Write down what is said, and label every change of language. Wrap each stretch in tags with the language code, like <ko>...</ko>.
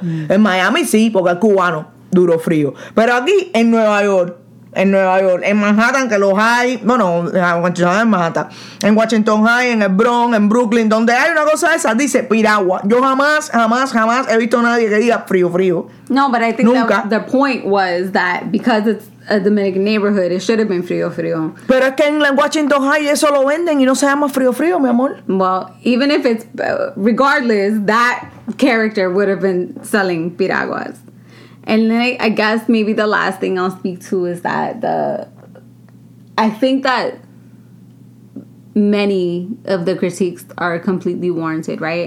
<es>En Miami sí, porque es cubano, duro frío. Pero aquí, en Nueva York, en Nueva York, en Manhattan, que los hay, bueno, en Manhattan, en Washington High, en el Bronx, en Brooklyn, donde hay una cosa esa, dice piragua. Yo jamás, jamás, jamás he visto a nadie que diga frío, frío.</es> <en>No, but I think nunca. The point was that because it's a Dominican neighborhood, it should have been frío, frío.</en> <es>Pero es que en Washington High eso lo venden y no se llama frío, frío, mi amor.</es> <en>Well, even if it's, regardless, that character would have been selling piraguas. And then I guess maybe the last thing I'll speak to is that I think that many of the critiques are completely warranted, right?</en>